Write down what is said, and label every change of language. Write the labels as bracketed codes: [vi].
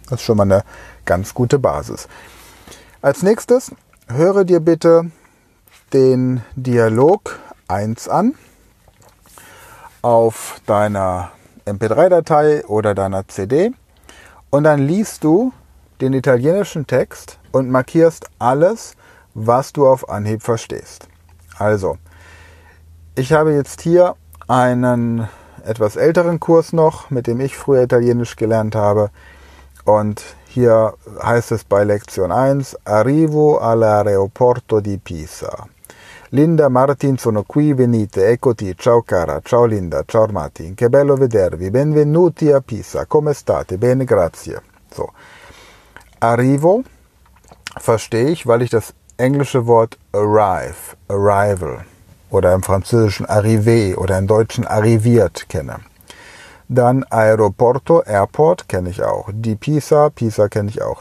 [de] Das ist schon mal eine ganz gute Basis. Als nächstes höre dir bitte den Dialog 1 an auf deiner MP3-Datei oder deiner CD und dann liest du den italienischen Text und markierst alles, was du auf Anhieb verstehst. Also, ich habe jetzt hier einen etwas älteren Kurs noch, mit dem ich früher Italienisch gelernt habe. Und hier heißt es bei Lektion 1, [it] Arrivo all'aeroporto di Pisa. Linda, Martin, sono qui, venite, eccoti, ciao cara, ciao Linda, ciao Martin, che bello vedervi, benvenuti a Pisa, come state, bene, grazie. [de] So, Arrivo verstehe ich, weil ich das englische Wort arrive, arrival, oder im Französischen arrivé oder im Deutschen arriviert kenne. Dann Aeroporto, Airport, kenne ich auch. Di Pisa, Pisa kenne ich auch.